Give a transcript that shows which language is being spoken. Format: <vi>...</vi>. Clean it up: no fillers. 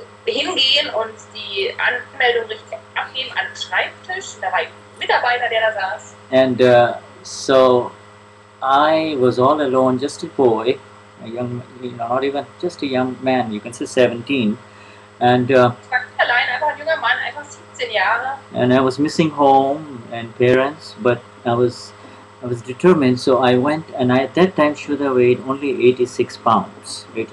<de>Hingehen und die Anmeldung richtig abgeben an den Schreibtisch, und da war ein Mitarbeiter, der da saß.</de> <en>And so I was all alone, just a boy, a young, you know, not even just a young man, you can say 17. And</en> <de>ich war allein, einfach ein junger Mann, einfach 17 Jahre.</de> <en>And I was missing home and parents, but I was determined, so I went, and I, at that time Shuddha weighed only 86 pounds.</en>